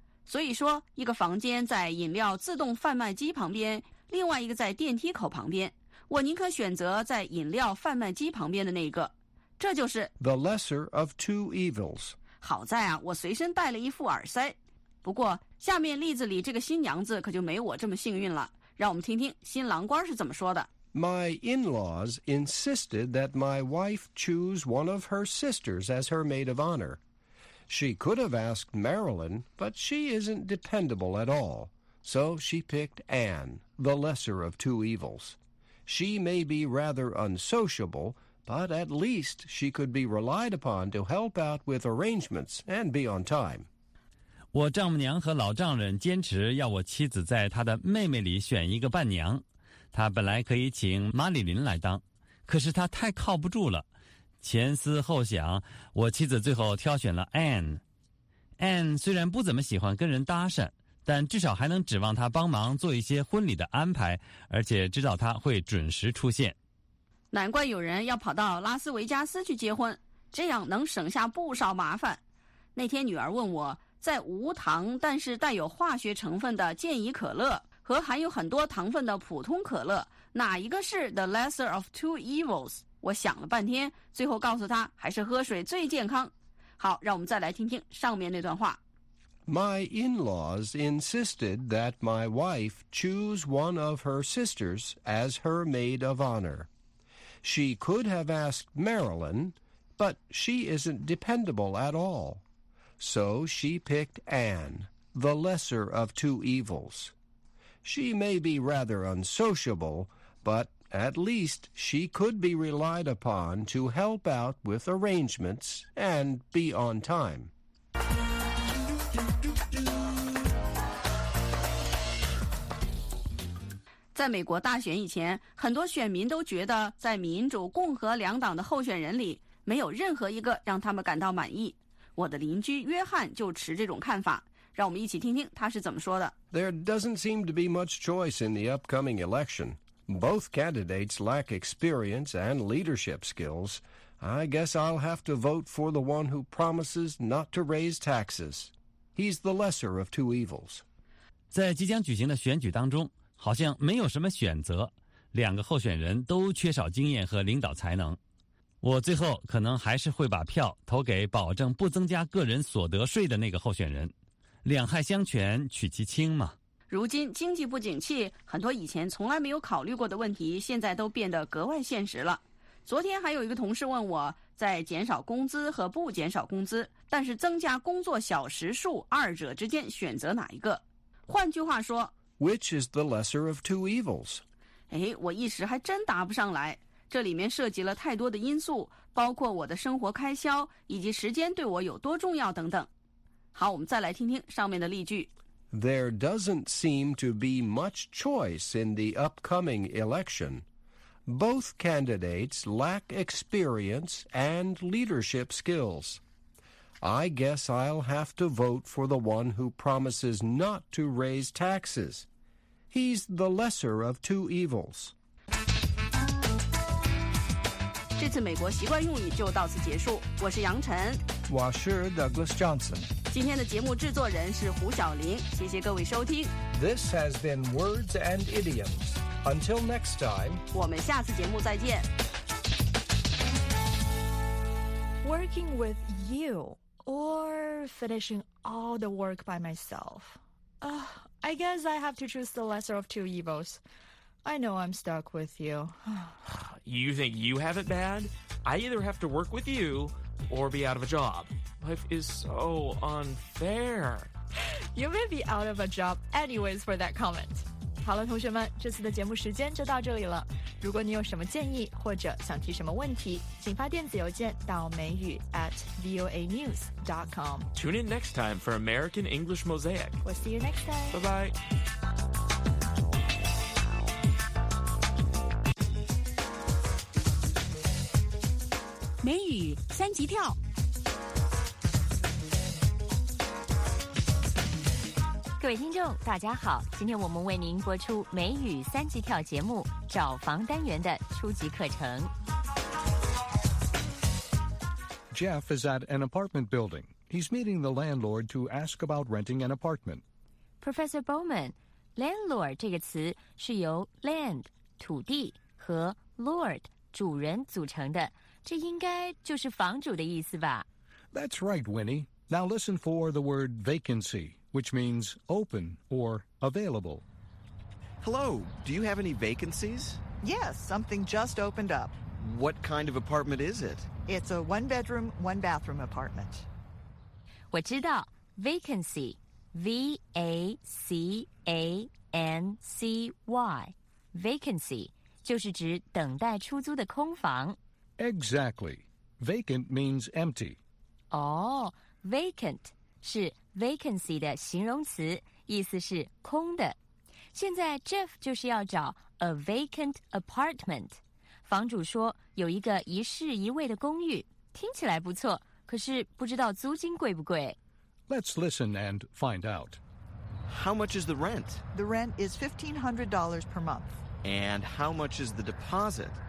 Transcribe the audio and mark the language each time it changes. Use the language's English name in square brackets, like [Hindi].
[Chinese] 所以说一个房间在饮料自动贩卖机旁边，另外一个在电梯口旁边。我宁可选择在饮料贩卖机旁边的那个。这就是 [English] The lesser of two evils. [Chinese] 好在啊，我随身带了一副耳塞。不过下面例子里这个新娘子可就没我这么幸运了。让我们听听新郎官是怎么说的。 [English] My in-laws insisted that my wife choose one of her sisters as her maid of honor. She could have asked Marilyn, but she isn't dependable at all. So she picked Anne, the lesser of two evils. She may be rather unsociable, but at least she could be relied upon to help out with arrangements and be on time. [Chinese] 我丈母娘和老丈人坚持要我妻子在她的妹妹里选一个伴娘，她本来可以请玛丽琳来当，可是她太靠不住了。前思后想，我妻子最后挑选了 Anne。 Anne 虽然不怎么喜欢跟人搭讪，但至少还能指望她帮忙做一些婚礼的安排，而且知道她会准时出现。难怪有人要跑到拉斯维加斯去结婚，这样能省下不少麻烦。那天女儿问我，在无糖但是带有化学成分的健怡可乐和含有很多糖分的普通可乐，哪一个是 [English] the lesser of two evils？ [Chinese] 我想了半天，最后告诉他还是喝水最健康。好，让我们再来听听上面那段话。 [English] My in-laws insisted that my wife choose one of her sisters as her maid of honor. She could have asked Marilyn, but she isn't dependable at all. So she picked Anne, the lesser of two evils. She may be rather unsociable, but at least she could be relied upon to help out with arrangements and be on time. [Chinese] 在美国大选以前，很多选民都觉得在民主、共和两党的候选人里，没有任何一个让他们感到满意。我的邻居约翰就持这种看法，让我们一起听听他是怎么说的。 [English] There doesn't seem to be much choice in the upcoming election. Both candidates lack experience and leadership skills. I guess I'll have to vote for the one who promises not to raise taxes. He's the lesser of two evils. [Chinese] 在即将举行的选举当中，好像没有什么选择，两个候选人都缺少经验和领导才能。我最后可能还是会把票投给保证不增加个人所得税的那个候选人。两害相权取其轻嘛。如今经济不景气，很多以前从来没有考虑过的问题现在都变得格外现实了。昨天还有一个同事问我，在减少工资和不减少工资，但是增加工作小时数，二者之间选择哪一个？换句话说， [English] Which is the lesser of two evils? [Chinese] 哎，我一时还真答不上来。这里面涉及了太多的因素，包括我的生活开销以及时间对我有多重要等等。好，我们再来听听上面的例句。 [English] There doesn't seem to be much choice in the upcoming election. Both candidates lack experience and leadership skills. I guess I'll have to vote for the one who promises not to raise taxes. He's the lesser of two evils. [Chinese] 这次美国习惯用语就到此结束，我是杨晨，我是 Douglas Johnson，今天的节目制作人是胡晓玲，谢谢各位收听。 [English] This has been Words and Idioms. Until next time， [Chinese] 我们下次节目再见。 [English] Working with you or finishing all the work by myself? I guess I have to choose the lesser of two evils. I know I'm stuck with you. You think you have it bad? I either have to work with you or be out of a job. Life is so unfair. You may be out of a job anyways for that comment. [Chinese] 好了，同学们，这次的节目时间就到这里了。如果你有什么建议或者想提什么问题，请发电子邮件到美语@voanews.com. [English] Tune in next time for American English Mosaic. We'll see you next time. Bye-bye. [Chinese] 美语三级跳。各位听众大家好，今天我们为您播出美语三级跳节目找房单元的初级课程。 [English] Jeff is at an apartment building. He's meeting the landlord to ask about renting an apartment. [Chinese] Professor Bowman, landlord 这个词是由 land, 土地和 lord, 主人组成的。这应该就是房主的意思吧。 [English] That's right, Winnie. Now listen for the word vacancy, which means open or available. Hello, do you have any vacancies? Yes, something just opened up. What kind of apartment is it? It's a one-bedroom, one-bathroom apartment. [Chinese] 我知道 vacancy, V-A-C-A-N-C-Y, vacancy, 就是指等待出租的空房。 [English] Exactly. Vacant means empty. [Chinese] Oh, vacant 是 vacancy 的形容词，意思是空的。现在 Jeff 就是要找 [English] a vacant apartment. [Chinese] 房主说有一个一室一卫的公寓，听起来不错，可是不知道租金贵不贵。 [English] Let's listen and find out. How much is the rent? The rent is $1,500 per month. And how much is the deposit?